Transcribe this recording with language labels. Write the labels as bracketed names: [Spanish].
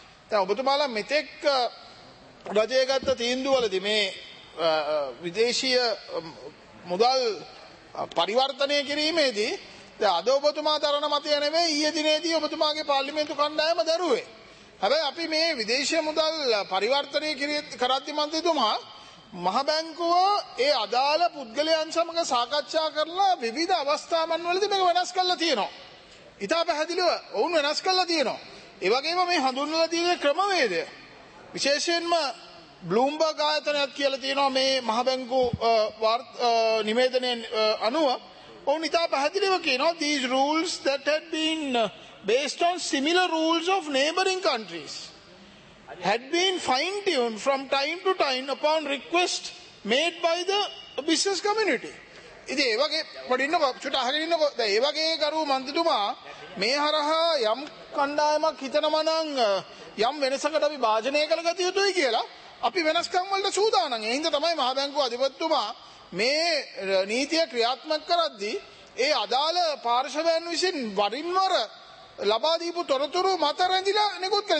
[Sinhala] දැන් ඔබතුමාලා මෙතෙක් රජය ගත්ත තීන්දුවලදී මේ විදේශීය මුදල් පරිවර්තනය කිරීමේදී දැන් අද ඔබතුමා දරන මතය නෙවෙයි ඊයේ දිනේදී ඔබතුමාගේ පාර්ලිමේන්තු කණ්ඩායම දරුවේ. හැබැයි අපි මේ විදේශීය මුදල් පරිවර්තනය කරද්දී මන්ත්‍රීතුමා මහ බැංකුව ඒ අදාළ පුද්ගලයන් සමග සාකච්ඡා කරලා විවිධ අවස්ථා මන්වලදී මේක වෙනස් කරලා තියෙනවා. ඉතා පැහැදිලිව ඔවුන් වෙනස් කරලා තියෙනවා. ඒ වගේම මේ හඳුන්වලා තියෙන ක්‍රමවේදය විශේෂයෙන්ම බ්ලූම්බර්ග් ආයතනයක් කියලා තියෙනවා මේ මහ බැංකු නිවේදනයේ අනුව ඔවුන් ඉතා පැහැදිලිව කියනවා [English] these rules that had been based on similar rules of neighboring countries had been fine-tuned from time to time upon request made by the business community. [Sinhala] ඉතින් ඒ වගේ පොඩි ඉන්නකො චුට අහගෙන ඉන්නකො දැන් ඒ වගේ ගරු මන්ත්‍රීතුමා මේ හරහා යම් කණ්ඩායමක් හිතනවා නම් යම් වෙනසකට අපි භාජනය කරගතිය යුතුයි කියලා අපි වෙනස්කම් වලට සූදානම්. ඒ හින්දා තමයි මහ බැංකුව අධිපතිතුමා මේ නීතිය ක්‍රියාත්මක කරද්දී ඒ අදාළ පාර්ශවයන් විසින් වරින් වර ලබා දීපු තොරතුරු මත රැඳිලා නිකුත් කළේ.